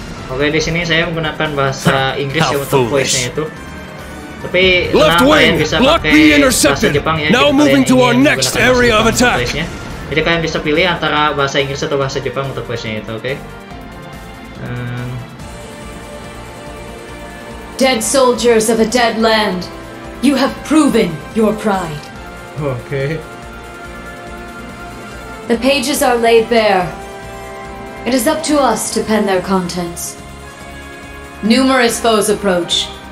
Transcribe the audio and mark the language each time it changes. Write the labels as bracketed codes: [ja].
[id] Oke, di sini saya menggunakan bahasa Inggris ya untuk voice-nya itu. [en] Left wing, block the interception. Now moving to our next area of attack. [id] Jadi kalian bisa pilih antara bahasa Inggris atau bahasa Jepang untuk questnya itu, oke? [en] Dead soldiers of a dead land, you have proven your pride. [id] Oke. [en] The pages are laid bare. It is up to us to pen their contents. Numerous foes approach.